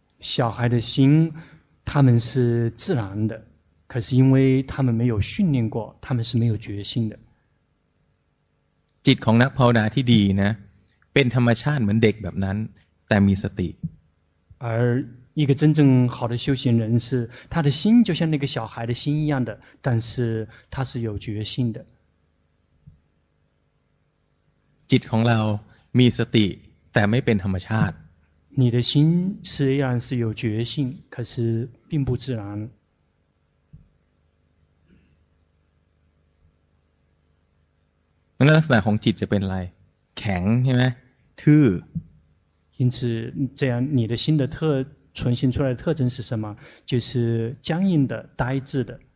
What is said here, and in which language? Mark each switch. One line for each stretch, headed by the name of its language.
Chinese: 小孩的心他们是自然的可是因为他们没有训练过他们是没有决心的
Thai: จิตของนักภาวนาที่ดีนะเป็นธรรมชาติเหมือนเด็กแบบนั้นแต่มีสติ
Chinese: 而一个真正好的修行人是他的心就像那个小孩的心一样的但是他是有决心的
Thai: จิตของเรามีสติแต่ไม่เป็นธรรมชาติ
Chinese: 你的心虽然是有决心可是并不自然
Thai: แล้วลักษณะของจิตจะเป็นอะไรแข็งใช่ไหมทื่อ
Chinese: 因此这样你的心的特存心出来的特征是什么就是僵硬的呆滞的